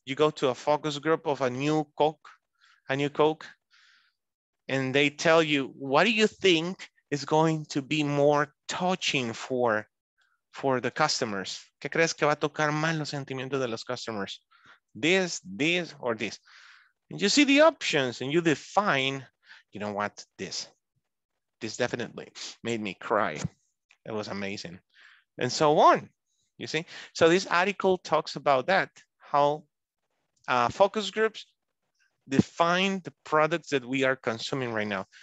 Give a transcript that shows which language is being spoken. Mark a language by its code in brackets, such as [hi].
[en] You go to a focus group of a new Coke, and they tell you, what do you think is going to be more touching for the customers? [es] ¿Qué crees que va a tocar más los sentimientos de los customers? [en] This, this, or this? And you see the options, and you define, you know what, this. This definitely made me cry. It was amazing. And so on, you see? So this article talks about that, how focus groups define the products that we are consuming right now.